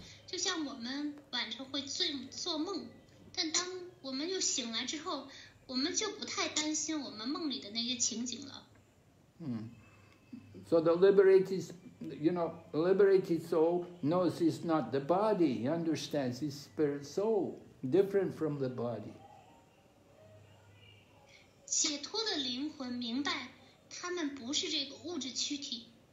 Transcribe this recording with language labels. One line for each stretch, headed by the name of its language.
Chinese: 就像我们晚上会做梦，但当我们又醒来之后，我们就不太担心我们梦里的那些情景了。
English: So the liberated, you know, liberated soul knows he's not the body. He understands his spirit soul, different from the body.
Chinese: 解脱的灵魂明白，他们不是这个物质躯体。